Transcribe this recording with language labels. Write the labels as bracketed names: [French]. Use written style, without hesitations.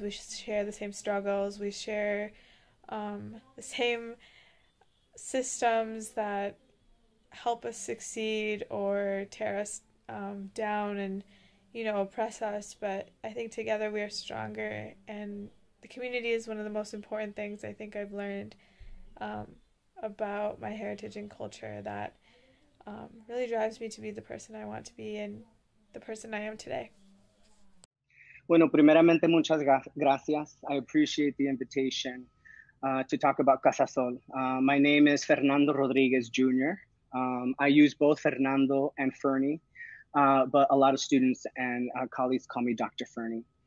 [English] We share the same struggles. We share the same systems that help us succeed or tear us down and, you know, oppress us. But I think together we are stronger, and the community is one of the most important things I think I've learned about my heritage and culture that really drives me to be the person I want to be and the person I am today. [Spanish] Bueno, primeramente, muchas gracias. [English] I appreciate the invitation to talk about CASA SOL. My name is Fernando Rodriguez Jr. I use both Fernando and Fernie, but a lot of students and colleagues call me Dr. Fernie.